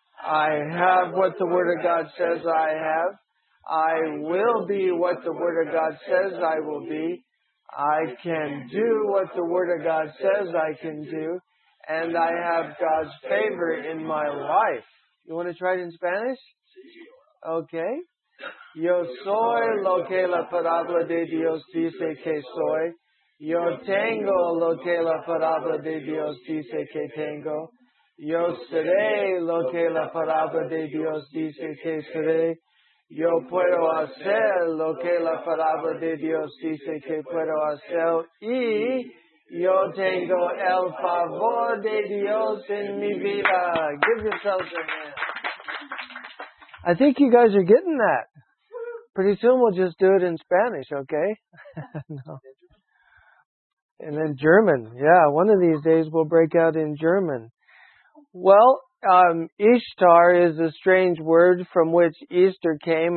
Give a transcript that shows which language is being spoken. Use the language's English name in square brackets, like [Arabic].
[English] I have what the Word of God says I have. I will be what the Word of God says I will be. I can do what the Word of God says I can do. And I have God's favor in my life. You want to try it in Spanish? Okay. [Spanish] Yo soy lo que la palabra de Dios dice que soy. Yo tengo lo que la palabra de Dios dice que tengo. Yo seré lo que la palabra de Dios dice que seré. Yo puedo hacer lo que la palabra de Dios dice que puedo hacer. Y yo tengo el favor de Dios en mi vida. [English] Give yourselves a hand. I think you guys are getting that. Pretty soon we'll just do it in Spanish, okay? No. And then German. Yeah, one of these days we'll break out in German. Well, Ishtar is a strange word from which Easter came.